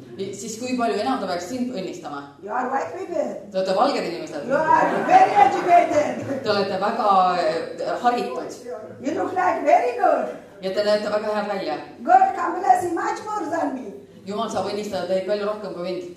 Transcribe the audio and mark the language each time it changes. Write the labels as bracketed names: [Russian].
[Estonian] Siis kui palju enam ta peaks sind õnnistama? [English] You are white people. [Estonian] Te olete valged inimesed. [English] You are very educated. [Estonian] Te olete väga haritud. [English] You look like very good. [Estonian] Ja te näete väga hea välja. [English] God can bless you much more than me. [Estonian] Jumal saab õnnistada teid palju rohkem kui mind.